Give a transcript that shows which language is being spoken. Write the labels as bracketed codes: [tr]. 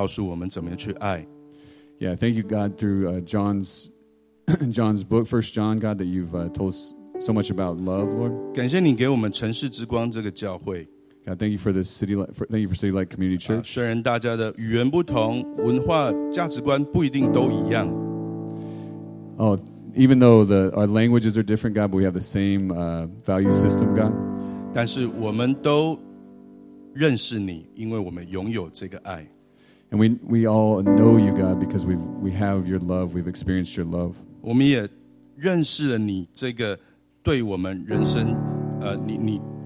[zh] 我们感谢你透过约翰的经文告诉我们怎么样去爱。Yeah, [en] thank you God through John's book, 1 John, God, that you've told us so much about love, Lord. [zh] 感谢你给我们城市之光这个教会。 [en] God, thank you for this city light, thank you for City Light Community Church. [zh] 虽然大家的语言不同，文化价值观不一定都一样。 [en] Oh, even though our languages are different, God, but we have the same value system, God. [zh] 但是我们都认识你，因为我们拥有这个爱。 [en] And we all know you, God, because we have your love, we've experienced your love. [zh] 我们也认识了你这个。 对我们人生, 你,